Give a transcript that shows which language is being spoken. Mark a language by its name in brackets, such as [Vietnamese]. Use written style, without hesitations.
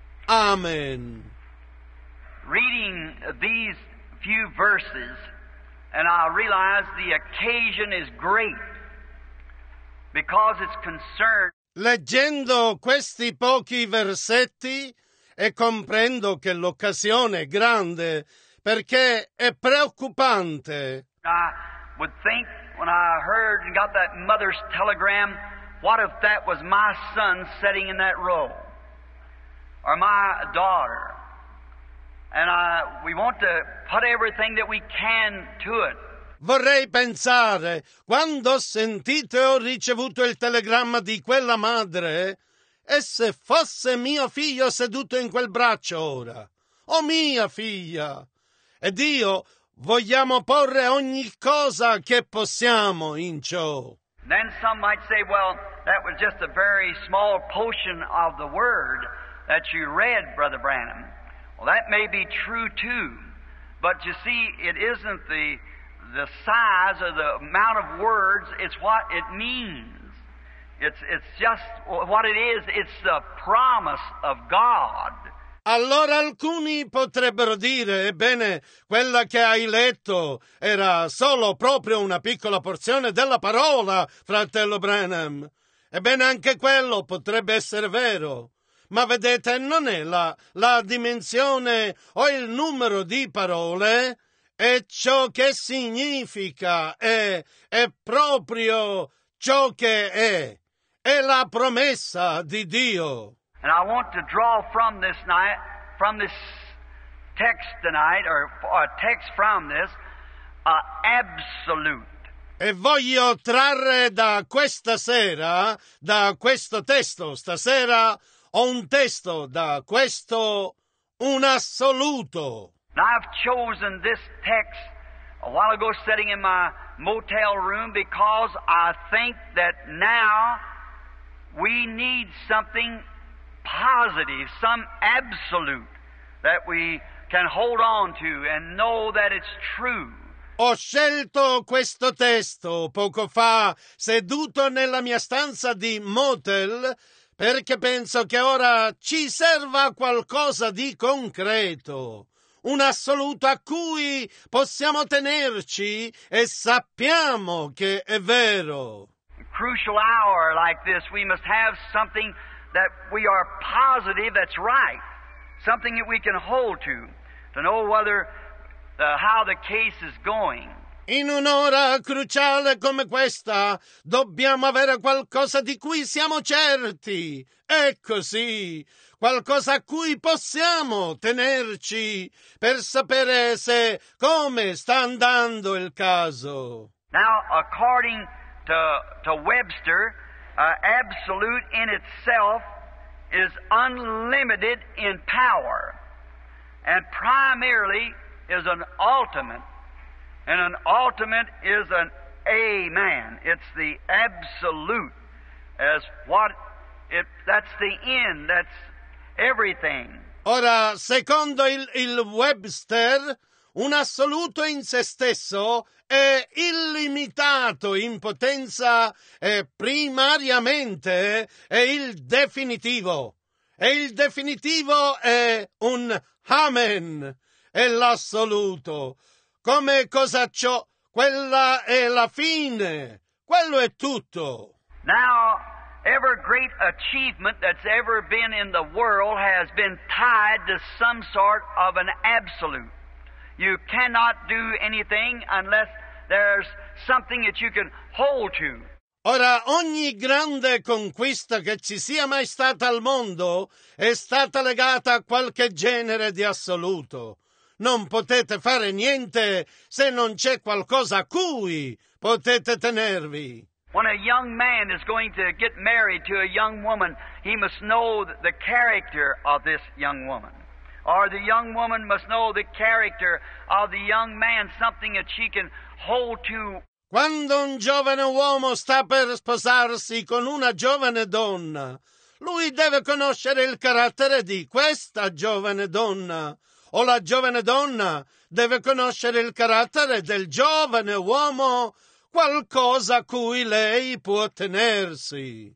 [English] Amen. Reading these few verses, and I realize the occasion is great because it's concerned. [Italian] Leggendo questi pochi versetti e comprendo che l'occasione è grande perché è preoccupante. [English] I would think when I heard and got that mother's telegram, what if that was my son sitting in that row, or my daughter? And we want to put everything that we can to it. [Italian] Vorrei pensare, quando ho sentito e ho ricevuto il telegramma di quella madre, e se fosse mio figlio seduto in quel braccio ora, o mia figlia, ed io vogliamo porre ogni cosa che possiamo in ciò. [English] Then some might say, well, that was just a very small portion of the word that you read, Brother Branham. Well, that may be true too, but you see, it isn't the size or the amount of words, it's what it means. It's just what it is, it's the promise of God. [Italian] Allora alcuni potrebbero dire, ebbene, quella che hai letto era solo proprio una piccola porzione della parola, fratello Branham. Ebbene, anche quello potrebbe essere vero. Ma vedete, non è la dimensione o il numero di parole, è ciò che significa, è proprio ciò che è la promessa di Dio. [English] And I want to draw from this night, from this text tonight, or a text from this, absolute. [Italian] E voglio trarre da questa sera, da questo testo stasera, ho un testo da questo, un assoluto. [English] Now I've chosen this text a while ago sitting in my motel room because I think that now we need something positive, some absolute that we can hold on to and know that it's true. [Italian] Ho scelto questo testo poco fa seduto nella mia stanza di motel perché penso che ora ci serva qualcosa di concreto, un assoluto a cui possiamo tenerci e sappiamo che è vero. [English] In a crucial hour like this, we must have something that we are positive that's right, something that we can hold to know whether how the case is going. [Italian] In un'ora cruciale come questa, dobbiamo avere qualcosa di cui siamo certi. È così. Qualcosa a cui possiamo tenerci per sapere se come sta andando il caso. [English] Now, according to Webster, absolute in itself is unlimited in power, and primarily is an ultimate, and an ultimate is an amen. It's the absolute, as what it, that's the end, that's everything. [Italian] Ora, secondo il Webster, un assoluto in se stesso è illimitato in potenza e primariamente è il definitivo. E il definitivo è un amen, è l'assoluto. Come cosa ciò? Quella è la fine, quello è tutto. [English] Now, every great achievement that's ever been in the world has been tied to some sort of an absolute. You cannot do anything unless there's something that you can hold to. [Italian] Ora, ogni grande conquista che ci sia mai stata al mondo è stata legata a qualche genere di assoluto. Non potete fare niente se non c'è qualcosa a cui potete tenervi. [English] When a young man is going to get married to a young woman, he must know the character of this young woman. Or the young woman must know the character of the young man, something that she can hold to. [Italian] Quando un giovane uomo sta per sposarsi con una giovane donna, lui deve conoscere il carattere di questa giovane donna. O la giovane donna deve conoscere il carattere del giovane uomo, qualcosa a cui lei può tenersi.